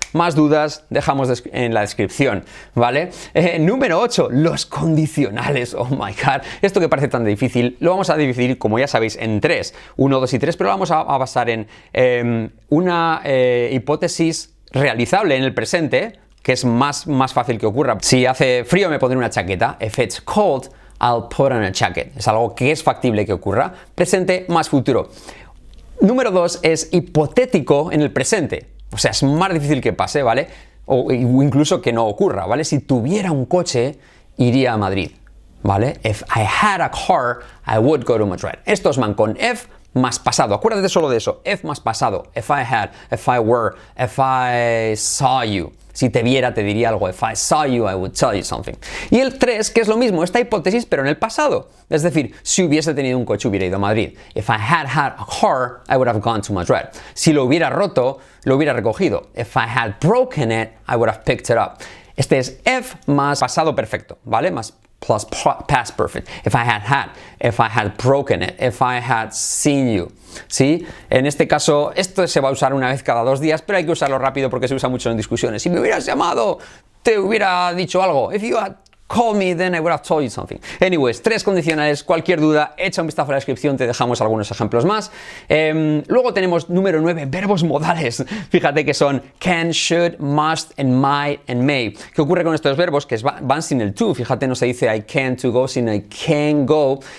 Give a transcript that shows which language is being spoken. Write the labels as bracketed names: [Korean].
[Spanish] Más dudas, dejamos en la descripción, ¿vale? Número 8, los condicionales. [English] Oh my God, [Spanish] esto que parece tan difícil, lo vamos a dividir, como ya sabéis, en 3. 1, 2 y 3, pero lo vamos a basar en una hipótesis realizable en el presente, que es más fácil que ocurra. Si hace frío, me pondré una chaqueta. [English] If it's cold, I'll put on a jacket. [Spanish] Es algo que es factible que ocurra. Presente más futuro. Número 2 es hipotético en el presente. O sea, es más difícil que pase, ¿vale? O incluso que no ocurra, ¿vale? Si tuviera un coche, iría a Madrid, ¿vale? [English] If I had a car, I would go to Madrid. [Spanish] Esto es mancon. If más pasado. Acuérdate solo de eso. If más pasado. [English] If I had, if I were, if I saw you. [Spanish] Si te viera, te diría algo. [English] If I saw you, I would tell you something. [Spanish] Y el 3, que es lo mismo, esta hipótesis, pero en el pasado. Es decir, si hubiese tenido un coche, hubiera ido a Madrid. [English] If I had had a car, I would have gone to Madrid. [Spanish] Si lo hubiera roto, lo hubiera recogido. [English] If I had broken it, I would have picked it up. [Spanish] Este es if más pasado perfecto, ¿vale? [English] Más plus past perfect. If I had had, if I had broken it, if I had seen you. [Spanish] ¿Sí? En este caso, esto se va a usar una vez cada 2 días, pero hay que usarlo rápido porque se usa mucho en discusiones. Si me hubieras llamado, te hubiera dicho algo. [English] If you had called me, then I would have told you something. Anyways, 3 condicionales. [Spanish] Cualquier duda, echa un vistazo a la descripción, te dejamos algunos ejemplos más. Luego tenemos número 9, verbos modales. Fíjate que son can, should, must, and might, and may. ¿Qué ocurre con estos verbos? Que van sin el to. Fíjate, no se dice [English] I can to go, [Spanish] sino [English] I can go.